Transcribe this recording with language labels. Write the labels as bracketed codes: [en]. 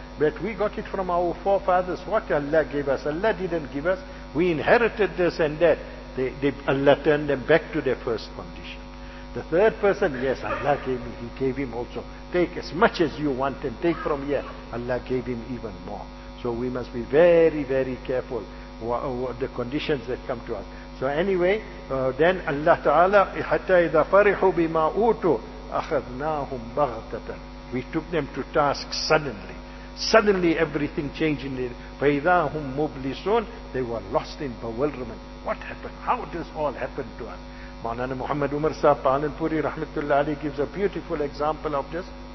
[en] But we got it from our forefathers. What Allah gave us, Allah didn't give us. We inherited this and that. they Allah turned them back to their first condition. The third person, yes, Allah gave him, he gave him also. Take as much as you want and take from here. Allah gave him even more. So we must be very, very careful what the conditions that come to us. So anyway, then Allah Ta'ala, [ar] حَتَّى إِذَا فَرِحُوا بِمَا أُوتُوا أَخَذْنَاهُمْ بَغْتَةً. [en] We took them to task suddenly. Suddenly everything changed in [ar] فَإِذَا هُمْ مُبْلِسُونَ. [en] They were lost in bewilderment. What happened? How does all happen to us? Maulana Muhammad Umar Sahib Palanpuri Rahmatullah Ali gives a beautiful example of this.